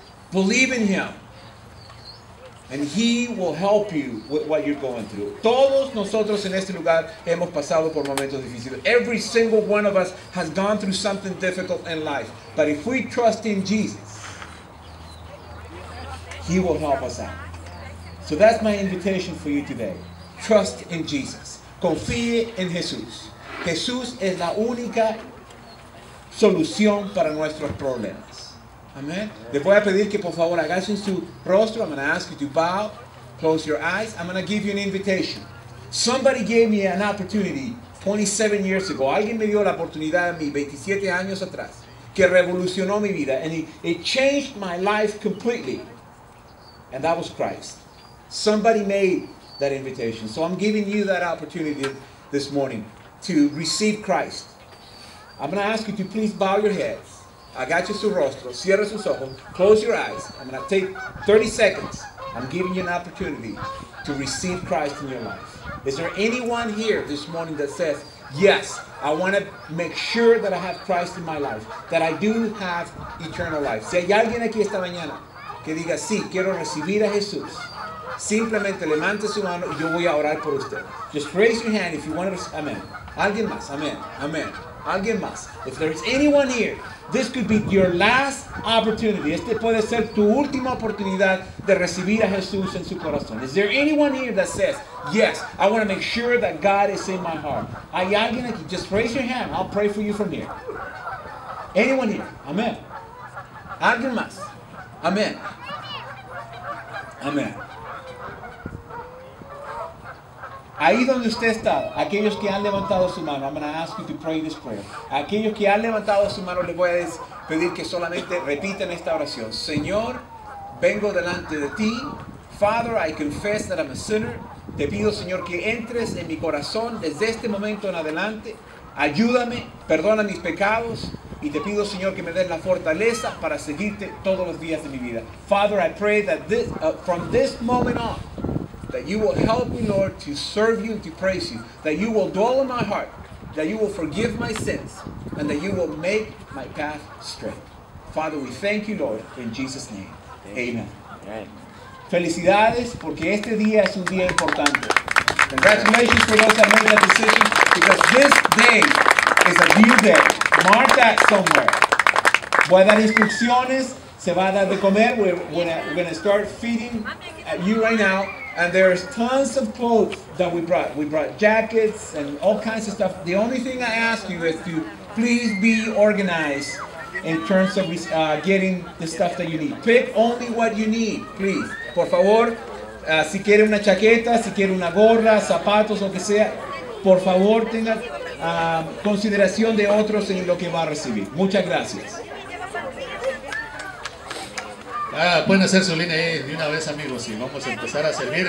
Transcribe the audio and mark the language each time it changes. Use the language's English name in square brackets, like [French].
[English] Believe in Him, and He will help you with what you're going through. [Spanish] Todos nosotros en este lugar hemos pasado por momentos difíciles. [English] Every single one of us has gone through something difficult in life. But if we trust in Jesus, He will help us out. So that's my invitation for you today. Trust in Jesus. [Spanish] Confíe en Jesús. Jesús es la única solución para nuestros problemas. Amen. Les voy a pedir que por favor agachen su rostro. [English] I'm going to ask you to bow, close your eyes. I'm going to give you an invitation. Somebody gave me an opportunity 27 years ago. [Spanish] Alguien me dio la oportunidad a mí 27 años atrás que revolucionó mi vida. [English] And it changed my life completely. And that was Christ. Somebody made that invitation. So I'm giving you that opportunity this morning to receive Christ. I'm going to ask you to please bow your heads. [Spanish] agache su rostro, cierre sus ojos, [English] close your eyes. I'm going to take 30 seconds. I'm giving you an opportunity to receive Christ in your life. Is there anyone here this morning that says, yes, I want to make sure that I have Christ in my life, that I do have eternal life? [Spanish] Si hay alguien aquí esta mañana que diga, sí, quiero recibir a Jesús, simplemente levante su mano y yo voy a orar por usted. [English] Just raise your hand if you want to receive. [Spanish] Amen. Alguien más. Amen. Amen. Alguien más. [English] If there is anyone here, this could be your last opportunity. [Spanish] Este puede ser tu última oportunidad de recibir a Jesús en su corazón. [English] Is there anyone here that says, yes, I want to make sure that God is in my heart? [Spanish] Hay alguien aquí. [English] Just raise your hand. I'll pray for you from here. Anyone here? Amen. [Spanish] Alguien más. [English] Amen. Amen. [Spanish] Ahí donde usted está, aquellos que han levantado su mano, [English] I'm going to ask you to pray this prayer. [Spanish] Aquellos que han levantado su mano, les voy a pedir que solamente repiten esta oración. Señor, vengo delante de ti. [English] Father, I confess that I'm a sinner. [Spanish] Te pido, Señor, que entres en mi corazón desde este momento en adelante. Ayúdame, perdona mis pecados. Y te pido, Señor, que me des la fortaleza para seguirte todos los días de mi vida. [English] Father, I pray that from this moment on, that you will help me, Lord, to serve you and to praise you. That you will dwell in my heart. That you will forgive my sins. And that you will make my path straight. Father, we thank you, Lord, in Jesus' name. Amen. Amen. [Spanish] Felicidades, porque este día es un día importante. [English] Congratulations for those that made that decision. Because this day is a new day. Mark that somewhere. Voy a dar instrucciones. Se va a dar de comer. We're going to start feeding at you right now. And there's tons of clothes that we brought. We brought jackets and all kinds of stuff. The only thing I ask you is to please be organized in terms of getting the stuff that you need. Pick only what you need, please. [Spanish] Por favor, si quiere una chaqueta, si quiere una gorra, zapatos, lo que sea, por favor tenga consideración de otros en lo que va a recibir. Muchas gracias. Pueden hacer su línea ahí de una vez, amigos, y vamos a empezar a servir.